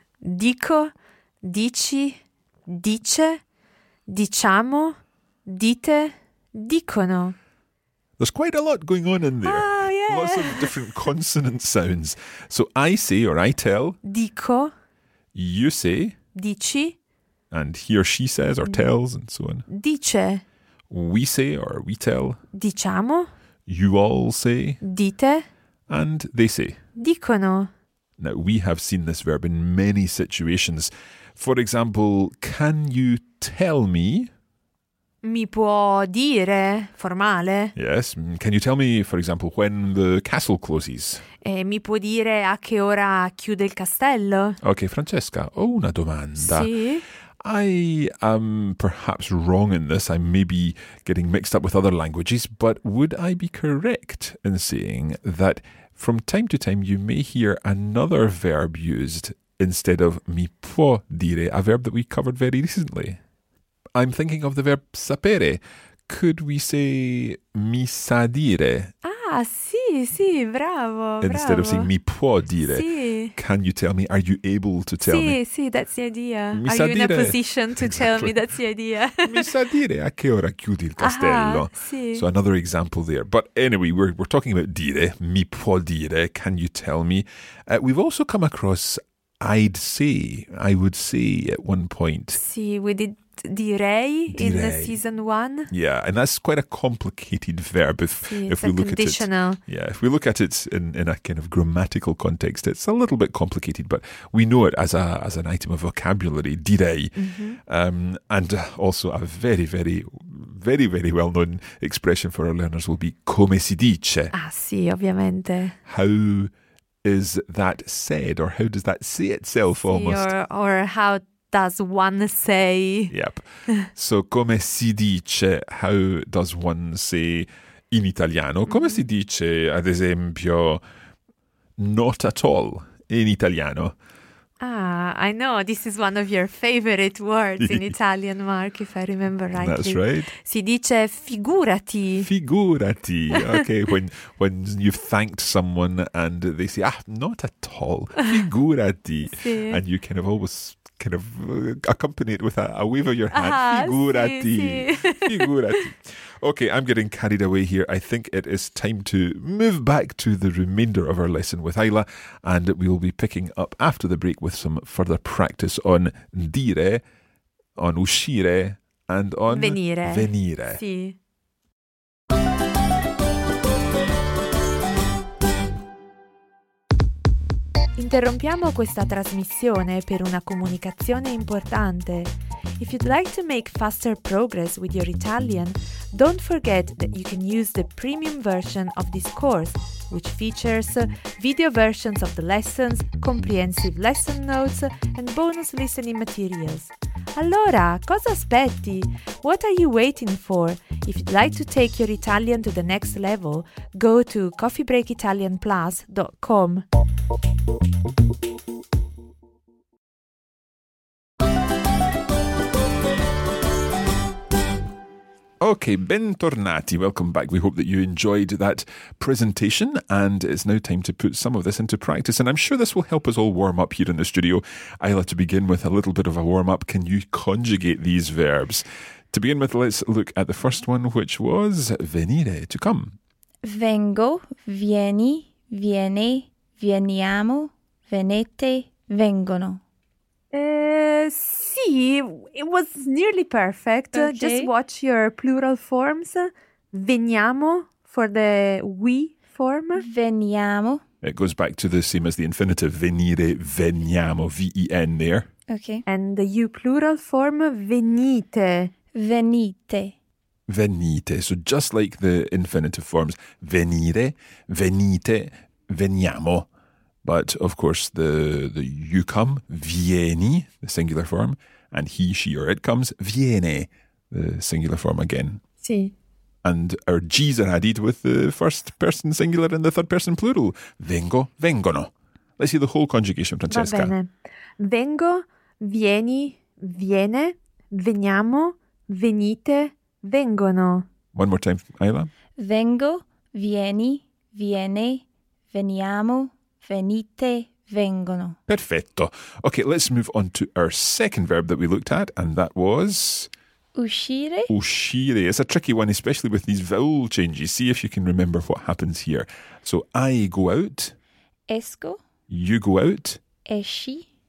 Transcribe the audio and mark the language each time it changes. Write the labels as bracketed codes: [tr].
[it] Dico, dici, dice, diciamo, dite, dicono. [en] There's quite a lot going on in there. Oh, yeah. Lots of different consonant sounds. So I say or I tell. [it] Dico. [en] You say. [it] Dici. [en] And he or she says or tells and so on. [it] Dice. [en] We say or we tell. [it] Diciamo. [en] You all say. [it] Dite. [en] And they say. [it] Dicono. [en] Now, we have seen this verb in many situations. For example, can you tell me? [it] Mi può dire, formale. [en] Yes. Can you tell me, for example, when the castle closes? [it] Mi può dire a che ora chiude il castello? Ok, Francesca, ho una domanda. Sì? [en] I am perhaps wrong in this. I may be getting mixed up with other languages, but would I be correct in saying that from time to time you may hear another verb used instead of [it] mi può dire, [en] a verb that we covered very recently? I'm thinking of the verb sapere. Could we say [it] mi sa dire? Ah, sì, sì, bravo. [en] Instead of saying mi può dire. [it] Sì. [en] Can you tell me? Are you able to tell me? [it] Sì, sì, [en] that's the idea. [it] Mi [en] Are [it] sa [en] you [it] dire? [en] In a position to exactly. tell me? That's the idea. [it] Mi sa dire a che ora chiudi il castello? Ah, sì. [en] So another example there. But anyway, we're talking about dire. [it] Mi può dire. [en] Can you tell me? We've also come across I'd say. I would say at one point. Sì, we did. Direi in the season one. Yeah, and that's quite a complicated verb if we look conditional. At it. Yeah, if we look at it in a kind of grammatical context, it's a little bit complicated, but we know it as an item of vocabulary, direi. Mm-hmm. And also a very, very, very, very well-known expression for our learners will be [it] come si dice. Ah, sì, ovviamente. [en] How is that said, or how does that say itself almost? Or how does one say? Yep. So, [it] come si dice, [en] how does one say in italiano? [it] Come si dice, ad esempio, [en] not at all [it] in italiano? [en] Ah, I know. This is one of your favorite words in Italian, Mark, if I remember rightly. That's right. [it] Si dice figurati. Figurati. [en] Okay, when you've thanked someone and they say, ah, not at all, figurati. [it] Sì. [en] And you kind of always kind of accompany it with a wave of your hand. Ah, [it] figurati. Sì, sì. Figurati. [en] Okay, I'm getting carried away here. I think it is time to move back to the remainder of our lesson with Ayla, and we will be picking up after the break with some further practice on dire, on uscire, and on [it] venire. Sì. Interrompiamo questa trasmissione per una comunicazione importante. [en] If you'd like to make faster progress with your Italian, don't forget that you can use the premium version of this course, which features video versions of the lessons, comprehensive lesson notes, and bonus listening materials. [it] Allora, cosa aspetti? [en] What are you waiting for? If you'd like to take your Italian to the next level, go to coffeebreakitalianplus.com. Okay, bentornati. Welcome back. We hope that you enjoyed that presentation, and it's now time to put some of this into practice. And I'm sure this will help us all warm up here in the studio. Ayla, to begin with a little bit of a warm up, can you conjugate these verbs? To begin with, let's look at the first one, which was venire, to come. [it] Vengo, vieni, viene, veniamo, venete, vengono. [en] Sì, it was nearly perfect. Okay. Just watch your plural forms. Veniamo for the we form. [it] Veniamo. [en] It goes back to the same as the infinitive, venire, veniamo, V-E-N there. Okay. And the you plural form, venite. [it] Venite. [en] Venite. So just like the infinitive forms, venire, venite, veniamo. But of course, the you come, vieni, the singular form, and he, she, or it comes, viene, the singular form again. Sì. And our G's are added with the first person singular and the third person plural. [it] Vengo, vengono. [en] Let's hear the whole conjugation, Francesca. [it] Va bene. Vengo, vieni, viene, veniamo, venite, vengono. [en] One more time, Ayla. [it] Vengo, vieni, viene, veniamo, venite, vengono. Perfetto. [en] Okay, let's move on to our second verb that we looked at, and that was... [it] Uscire. Uscire. [en] It's a tricky one, especially with these vowel changes. See if you can remember what happens here. So I go out. [it] Esco. [en] You go out. [it] Esci.